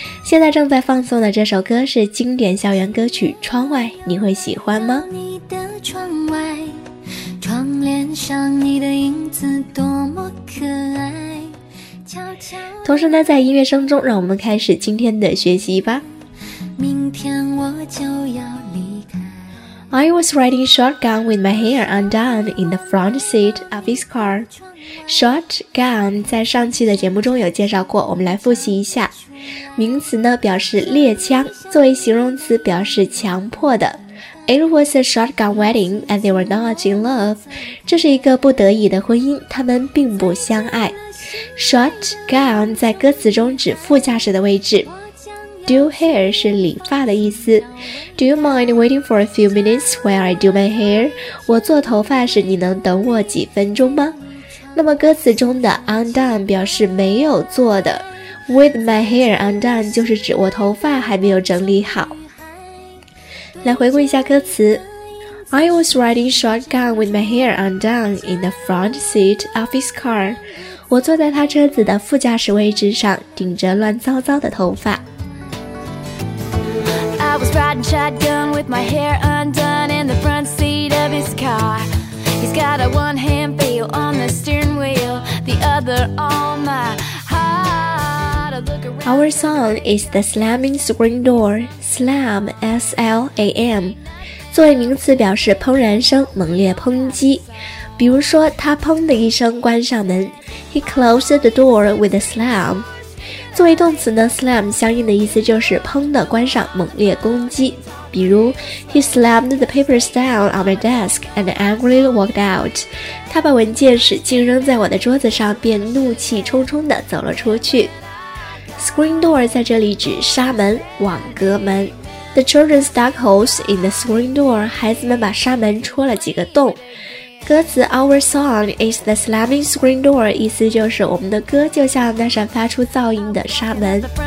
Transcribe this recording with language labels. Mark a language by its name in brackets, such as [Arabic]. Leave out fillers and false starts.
[Chinese] 现在正在放送的这首歌是经典校园歌曲《窗外》，你会喜欢吗？你的窗外，窗帘上你的影子多么可爱，悄悄。同时呢，在音乐声中，让我们开始今天的学习吧。明天我就要离开。 [English] I was riding shotgun with my hair undone in the front seat of his car. [Chinese] Shotgun 在上期的节目中有介绍过，我们来复习一下。名词呢表示猎枪，作为形容词表示强迫的。 It was a shotgun wedding and they were not in love. 这是一个不得已的婚姻，他们并不相爱。 Shotgun 在歌词中指副驾驶的位置。 Do hair 是理发的意思。 [English] Do you mind waiting for a few minutes while I do my hair? [Chinese] 我做头发时，你能等我几分钟吗？那么歌词中的 undone 表示没有做的。 [English] With my hair undone [Chinese] 就是指我头发还没有整理好。来回顾一下歌词。 [English] I was riding shotgun with my hair undone in the front seat of his car. [Chinese] 我坐在他车子的副驾驶位置上，顶着乱糟糟的头发。 [English] I was riding shotgun with my hair undone in the front seat of his car. He's got a one hand feel on the steering wheel, the other on my heart. Our song is the slamming screen door. Slam, S-L-A-M. [Chinese] 作为名词表示砰然声，猛烈抨击。比如说他砰的一声关上门。 [English] He closed the door with a slam. [Chinese] 作为动词呢 slam 相应的意思就是砰的关上，猛烈攻击。比如 [English] He slammed the papers down on my desk and angrily walked out. [Chinese] 他把文件使劲扔在我的桌子上，便怒气冲冲地走了出去。 Screen door 在这里指纱门，网格门。 [English] The children stuck holes in the screen door. [Chinese] 孩子们把纱门戳了几个洞。歌词 [English] Our song is the slamming screen door [Chinese] 意思就是我们的歌就像那扇发出噪音的纱门。